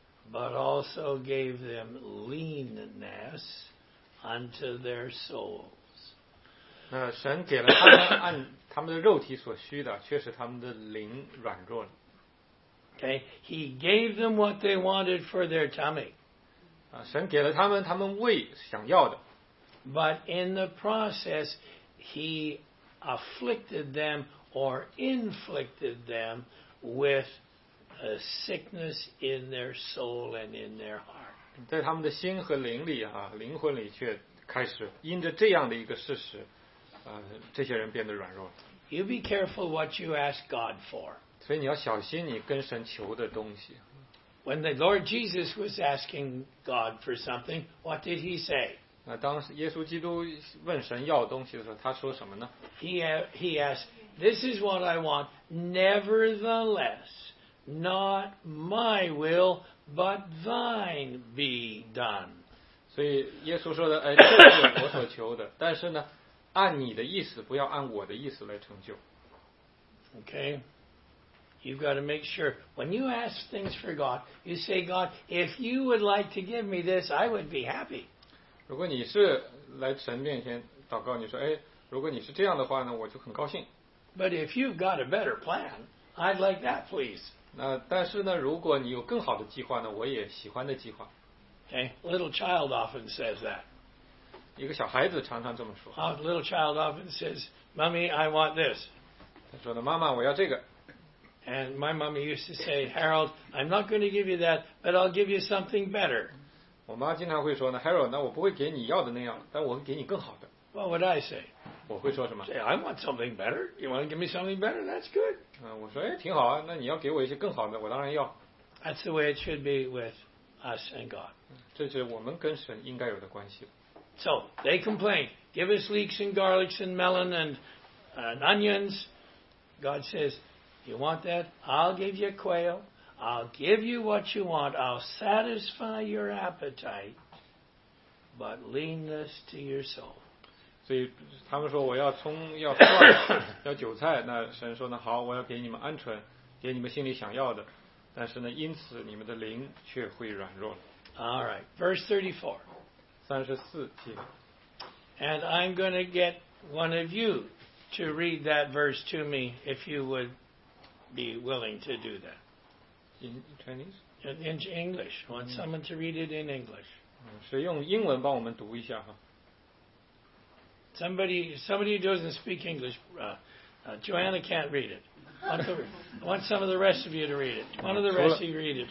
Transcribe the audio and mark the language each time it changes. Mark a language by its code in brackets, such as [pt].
[en] But also gave them leanness unto their souls. [zh] 那神给了他们按他们的肉体所需的，却使他们的灵软弱了。 [en] Okay, he gave them what they wanted for their tummy. [zh] 啊，神给了他们他们胃想要的。 [en] But in the process, he afflicted them or inflicted them with. A sickness in their soul and in their heart. [zh] 在他们的心和灵里啊，灵魂里却开始因着这样的一个事实，这些人变得软弱。 [en] You be careful what you ask God for. [zh] 所以你要小心你跟神求的东西。 [en] When the Lord Jesus was asking God for something, what did he say? [zh] 那当耶稣基督问神要东西的时候，他说什么呢？ [en] He asked, "This is what I want. Nevertheless." Not my will, but thine be done. [zh] 所以耶稣说的，哎，这是我所求的，但是呢，按你的意思，不要按我的意思来成就。 [en] Okay, you've got to make sure when you ask things for God, you say, God, if you would like to give me this, I would be happy. [zh] 如果你是来神面前祷告，你说，哎，如果你是这样的话呢，我就很高兴。 [en] But if you've got a better plan, I'd like that, please. [zh] 那但是呢，如果你有更好的计划呢，我也喜欢的计划。 [en] Okay, little child often says that. [zh] 一个小孩子常常这么说。 [en] Oh, little child often says, "Mummy, I want this." [zh] 他说的，妈妈，我要这个。 [en] And my mummy used to say, "Harold, I'm not going to give you that, but I'll give you something better." [zh] 我妈经常会说呢 ，Harold， 那我不会给你要的那样，但我会给你更好的。 [en] What would I say? [zh] 我会说什么 [en] ？Say, I want something better. You want to give me something better? That's good. [zh] 我说，哎，挺好啊。那你要给我一些更好的，我当然要。 [en] That's the way it should be with us and God. [zh] 这是我们跟神应该有的关系。 [en] So they complained, "Give us leeks and garlics and melon and onions." God says, "You want that? I'll give you quail. I'll give you what you want. I'll satisfy your appetite, but leanness to your soul." [zh] 所以他们说我要葱要蒜要韭菜，那神说呢，好，我要给你们鹌鹑，给你们心里想要的，但是呢，因此你们的灵却会软弱了。 [en] All right, verse 34. [zh] 34节。 [en] And I'm going to get one of you to read that verse to me if you would be willing to do that. In Chinese? In English. I want someone to read it in English. [zh] 是用英文帮我们读一下哈。 [en] Somebody who doesn't speak English, Joanna can't read it. I want some of the rest of you to read it. One of the rest of you read it.